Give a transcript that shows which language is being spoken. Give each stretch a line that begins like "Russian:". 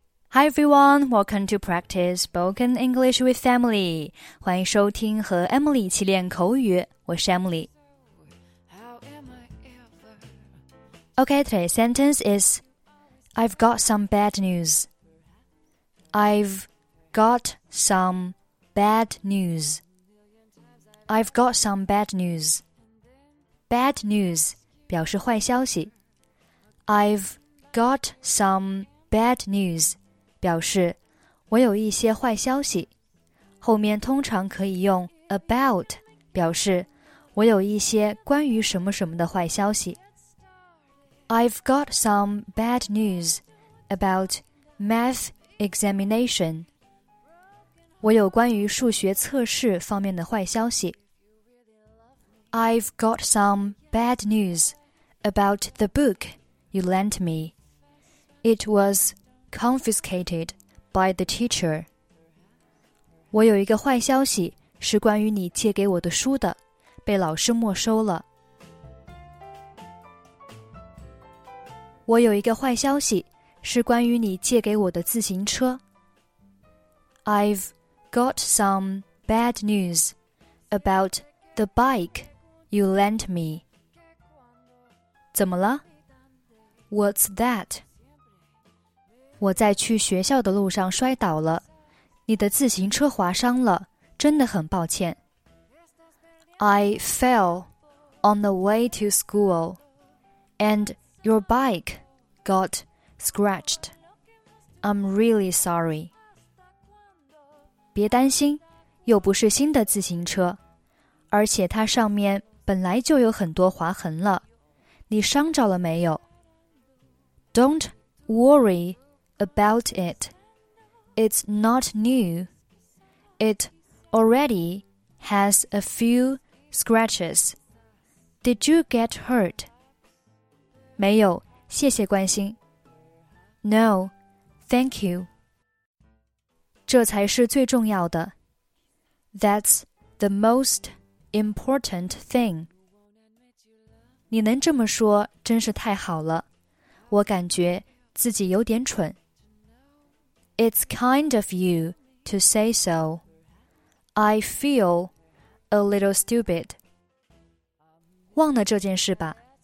English: Hi everyone, welcome to Practice Spoken English with Emily.
Chinese: 欢迎收听和 Emily 一起练口语，我是 Emily.
English: Okay, today's sentence is I've got some bad news. I've got some bad news. I've got some bad news.
Chinese: Bad news 表示坏消息。
English: I've got some bad news.
Chinese: 表示我有一些坏消息，后面通常可以用 about 表示我有一些关于什么什么的坏消息。
English: I've got some bad news about math examination.
Chinese: 我有关于数学测试方面的坏消息。
English: I've got some bad news about the book you lent me. It wasconfiscated by the teacher.
Chinese: 我有一个坏消息，是关于你借给我的书的，被老师没收了。我有一个坏消息，是关于你借给我的自行车。
English: I've got some bad news about the bike you lent me.
Chinese: 怎么了？
English: What's that?
Chinese: 我在去学校的路上摔倒了，你的自行车划伤了，真的很抱歉。
English: I fell on the way to school, and your bike got scratched. I'm really sorry.
Chinese: 别担心，又不是新的自行车，而且它上面本来就有很多划痕了，你伤着了没有？
English: Don't worryabout it. It's not new. It already has a few scratches. Did you get hurt?
Chinese: 没有，谢谢关心。
English: No, thank you.
Chinese: 这才是最重要的。
English: That's the most important thing.
Chinese: 你能这么说真是太好了。我感觉自己有点蠢。
English: It's kind of you to say so. I feel a little stupid.
Chinese: 忘了这件事吧。